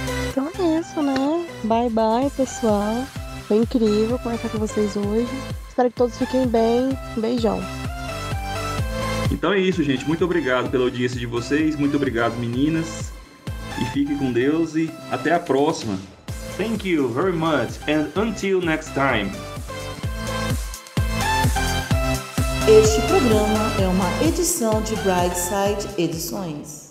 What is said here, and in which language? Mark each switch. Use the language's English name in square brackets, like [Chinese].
[Portuguese] Então é isso, né? [English] Bye bye, [Portuguese] pessoal. Foi incrível conversar com vocês hoje. Espero que todos fiquem bem. Um beijão. Então é isso, gente. Muito obrigado pela audiência de vocês. Muito obrigado, meninas. E fiquem com Deus e até a próxima. [English] Thank you very much and until next time. [Portuguese] Este programa é uma edição de Brightside Edições.